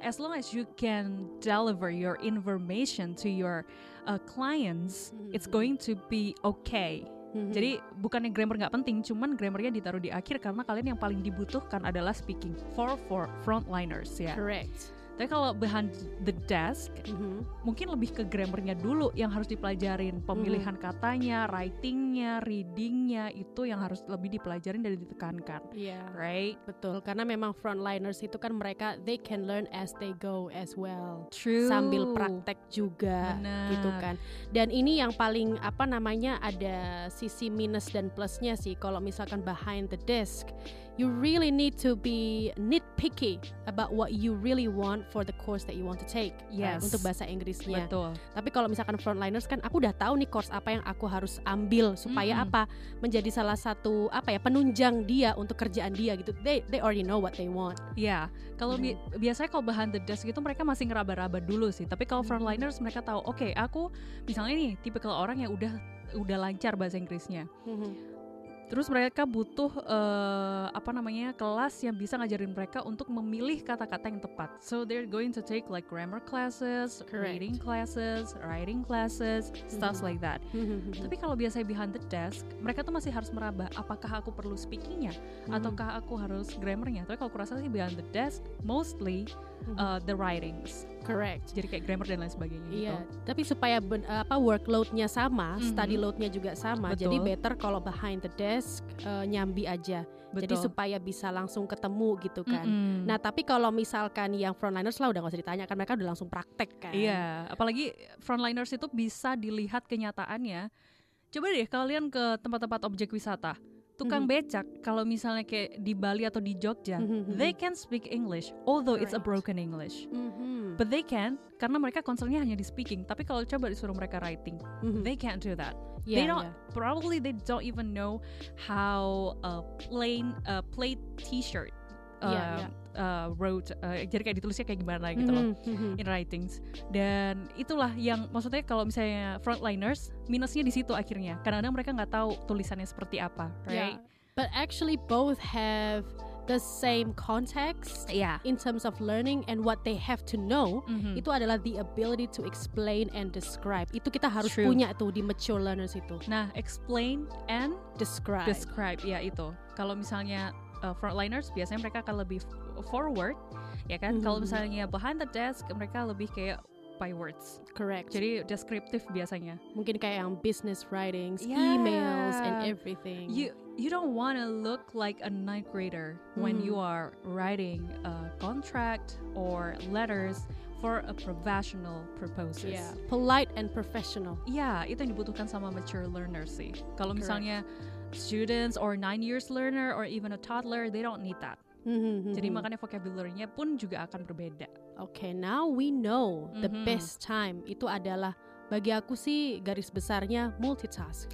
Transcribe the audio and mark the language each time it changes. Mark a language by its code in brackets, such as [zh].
[en] As long as you can deliver your information to your clients, it's going to be okay. [id] Jadi bukannya grammar nggak penting, cuman grammarnya ditaruh di akhir karena kalian yang paling dibutuhkan adalah speaking for frontliners, ya. [en] Correct. [id] Tapi kalau behind the desk, mungkin lebih ke grammarnya dulu yang harus dipelajarin. Pemilihan katanya, writingnya, readingnya, itu yang harus lebih dipelajarin dan ditekankan. [en] Yeah. Right? [id] Betul, karena memang frontliners itu kan mereka, [en] they can learn as they go as well. True. [id] Sambil praktek juga. Bener. Gitu kan. Dan ini yang paling, apa namanya, ada sisi minus dan plusnya sih. Kalau misalkan [en] behind the desk, you really need to be nitpicky about what you really want for the course that you want to take. Yes. Right, [id] untuk bahasa Inggrisnya. Betul. Tapi kalau misalkan frontliners kan aku udah tahu nih course apa yang aku harus ambil supaya apa menjadi salah satu apa ya penunjang dia untuk kerjaan dia gitu. [en] They already know what they want. [id] Yeah. Kalau biasanya kalau behind the desk gitu mereka masih ngeraba-raba dulu sih. Tapi kalau frontliners mereka tahu, okay, aku misalnya nih tipikal orang yang udah lancar bahasa Inggrisnya. Terus mereka butuh apa namanya kelas yang bisa ngajarin mereka untuk memilih kata-kata yang tepat. [en] So they're going to take like grammar classes, reading classes, writing classes, stuff like that. [id] Tapi kalau biasanya behind the desk, mereka tuh masih harus meraba apakah aku perlu speakingnya ataukah aku harus grammarnya. Tapi kalau kurasa sih [en] behind the desk mostly the writings. Correct. [id] Jadi kayak grammar dan lain sebagainya gitu. Iya, tapi supaya workload-nya sama, study load-nya juga sama. Betul. Jadi better kalau behind the desk nyambi aja. Betul. Jadi supaya bisa langsung ketemu gitu kan. Mm-hmm. Nah, tapi kalau misalkan yang frontliners lah udah gak usah ditanya kan mereka udah langsung praktek kan. Iya, apalagi frontliners itu bisa dilihat kenyataannya. Coba deh kalian ke tempat-tempat objek wisata. Tukang becak, kalau misalnya kayak di Bali atau di Jogja, [en] they can speak English, although it's a broken English. But they can, [id] karena mereka concernnya hanya di speaking. Tapi kalau coba disuruh mereka writing, [en] they can't do that. Yeah, they don't. Probably they don't even know how a plain plaid T-shirt wrote. [id] Jadi kayak ditulisnya kayak gimana gitu loh [en] in writings. [id] Dan itulah yang maksudnya kalau misalnya frontliners minusnya di situ akhirnya. Karena mereka nggak tahu tulisannya seperti apa, right? [en] Yeah. But actually both have the same context in terms of learning and what they have to know, [id] itu adalah [en] the ability to explain and describe. [id] Itu kita harus punya tuh di mature learners itu. [en] Nah, explain and describe. [id] Describe, ya itu. Kalau misalnya frontliners, biasanya mereka akan lebih forward, ya kan? Kalau misalnya behind the desk, mereka lebih kayak by words. [en] Correct. [id] Jadi descriptive biasanya. Mungkin kayak yang [en] business writings, emails, and everything. You don't want to look like a ninth grader when you are writing a contract or letters for a professional proposal. Yeah, polite and professional. [id] Yeah, itu yang dibutuhkan sama mature learners sih. Kalau misalnya [en] students or 9 years learner or even a toddler, they don't need that. [id] Jadi makanya vocabularynya pun juga akan berbeda. Okay, [en] now we know the best time [id] itu adalah bagi aku sih garis besarnya multitask.